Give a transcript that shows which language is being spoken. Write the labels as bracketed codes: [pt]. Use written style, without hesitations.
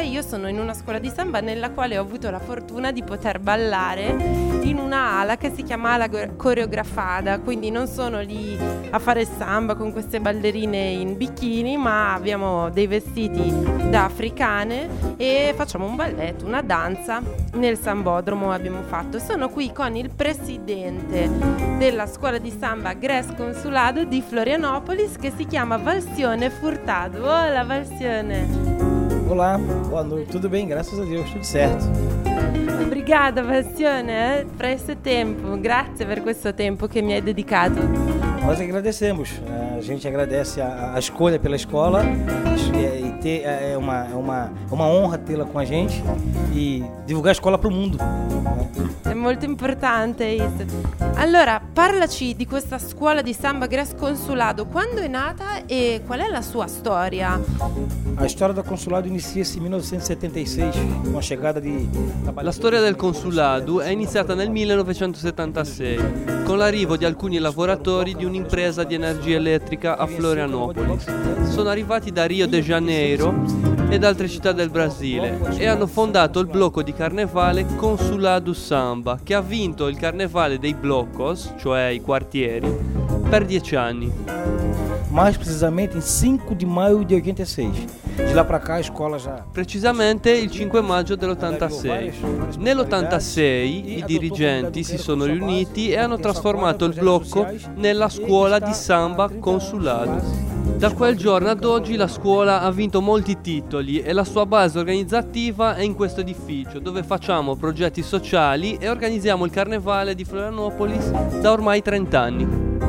[it] Io sono in una scuola di samba nella quale ho avuto la fortuna di poter ballare in una ala che si chiama ala coreografada, quindi non sono lì a fare samba con queste ballerine in bikini, ma abbiamo dei vestiti da africane e facciamo un balletto, una danza. Nel sambodromo abbiamo fatto. Sono qui con il presidente della scuola di samba Gres Consulado di Florianopolis, che si chiama Valsione Furtado. [pt] Hola, Valsione. Olá, boa noite. Tudo bem? Graças a Deus, tudo certo. Obrigada, Valsione, por esse tempo. [it] Grazie per questo tempo che mi hai dedicato. [pt] Nós agradecemos. A gente agradece a escolha pela escola. É uma honra tê-la com a gente e divulgar a escola para o mundo. É muito importante isso. [it] Allora, parlaci di questa scuola di samba Gres Consulado. Quando è nata e qual è la sua storia? [pt] A história do consulado inicia-se em 1976, com a chegada de... [it] La storia del consulado è iniziata nel 1976, con l'arrivo di alcuni lavoratori di un'impresa di energia elettrica a Florianopolis. Sono arrivati da Rio de Janeiro ed altre città del Brasile e hanno fondato il blocco di carnevale Consulado Samba, che ha vinto il carnevale dei blocos, cioè i quartieri, per 10 anni. [pt] Mais precisamente em 5 de maio de 86. De lá para cá a escola já. [it] Precisamente il 5 maggio dell'86. Nell'86 i dirigenti si sono riuniti e hanno trasformato il blocco nella scuola di samba Consulado. Da quel giorno ad oggi la scuola ha vinto molti titoli e la sua base organizzativa è in questo edificio, dove facciamo progetti sociali e organizziamo il carnevale di Florianopolis da ormai 30 anni.